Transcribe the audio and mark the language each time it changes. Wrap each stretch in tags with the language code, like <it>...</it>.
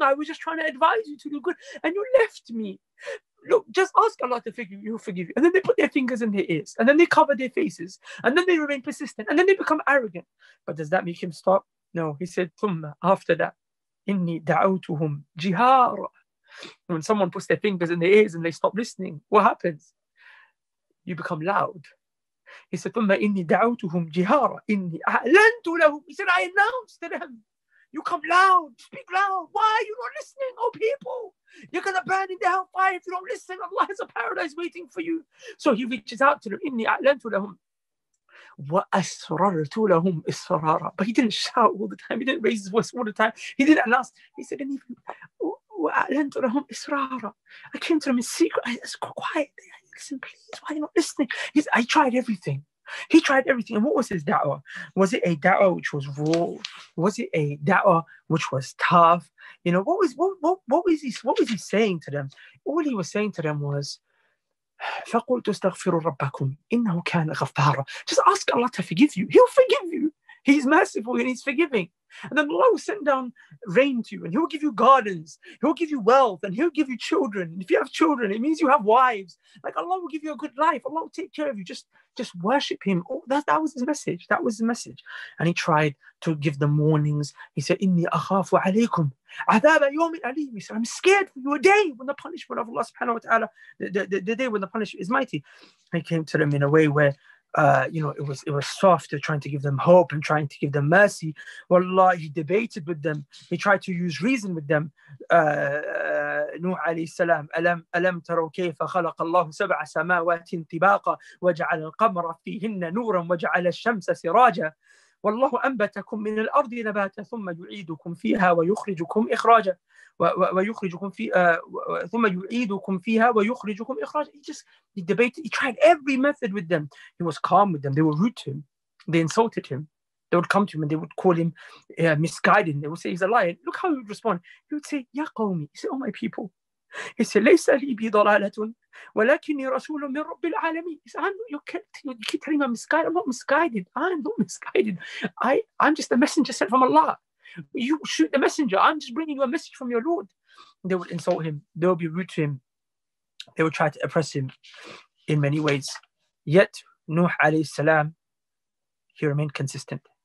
<en>I was just trying to advise you to do good. And you left me. Look, just ask Allah to forgive you, He'll forgive you. And then they put their fingers in their ears. And then they cover their faces. And then they remain persistent. And then they become arrogant. But does that make him stop? No, he said, ثم, after that,</en> <ar>إِنِّي دَعَوْتُهُمْ جِهَارًا.</ar> <en>When someone puts their fingers in their ears and they stop listening, what happens? You become loud. He said,</en> <ar>ثم, إِنِّي دَعَوْتُهُمْ جِهَارًا. إِنِّي أَعْلَنْتُ لَهُمْ.</ar> <en>He said, I announced to them. You come loud, speak loud. Why are you not listening, oh people? You're going to burn in the hellfire if you don't listen. Allah has a paradise waiting for you. So he reaches out to them.</en> <ar>إِنِّي أَعْلَنْتُ لَهُمْ وَأَسْرَرْتُ لَهُمْ إِسْرَارًا.</ar> <en>But he didn't shout all the time. He didn't raise his voice all the time. He didn't announce.</en> <ar>He said, وَأَعْلَنْتُ لَهُمْ إِسْرَارًا.</ar> <en>I came to them in secret. I was quiet. Listen, please, why are you not listening? He said, I tried everything. He tried everything. And what was his da'wah? Was it a da'wah which was raw? Was it a da'wah which was tough? You know, what was he saying to them? All he was saying to them was,</en> <ar>فَقُلْتُ اسْتَغْفِرُوا رَبَّكُمْ إِنَّهُ كَانَ غَفَّارًا.</ar> <en>Just ask Allah to forgive you. He'll forgive you. He's merciful and He's forgiving. And then Allah will send down rain to you, and He'll give you gardens. He'll give you wealth, and He'll give you children. If you have children, it means you have wives. Like, Allah will give you a good life. Allah will take care of you. Just worship Him. Oh, that was His message. That was His message. And He tried to give them warnings. He said,</en> <ar>إِنِّي أَخَافُ عَلَيْكُمْ عَذَابَ يَوْمٍ أَلِيمٍ.</ar> <en>He said, I'm scared for you a day when the punishment of Allah subhanahu wa ta'ala, the day when the punishment is mighty. He came to them in a way where, you know, it was softer, trying to give them hope and trying to give them mercy. Wallah, he debated with them. He tried to use reason with them. Nuh alayhi salam,</en> <ar>alam taraw kayfa khalaqa Allah sab'a samawati tibaqa waja'ala al-qamara fihinna nuran waja'ala ash-shamsa siraja. والله أنبتكم من الأرض نباتا ثم يعيدكم فيها ويخرجكم إخراجا ويخرجكم في ثم يعيدكم فيها ويخرجكم إخراجا.</ar> <en>He just he debated, he tried every method with them. He was calm with them. They were rude to him. They insulted him. They would come to him and they would call him misguided. They would say he's a liar. Look how he would respond. He would say,</en> <ar>"Ya qawmi."</ar> <en>He said, "Oh my people." He said,</en> <ar>"ليس لي بضلالة ولكني رسول من رب العالمين."</ar> <en>He said, you keep telling me I'm misguided. I'm not misguided. I'm not misguided. I'm just a messenger sent from Allah. You shoot the messenger. I'm just bringing you a message from your Lord." They would insult him. They would be rude to him. They would try to oppress him in many ways. Yet, Nuh alayhi salam, he remained consistent.</en>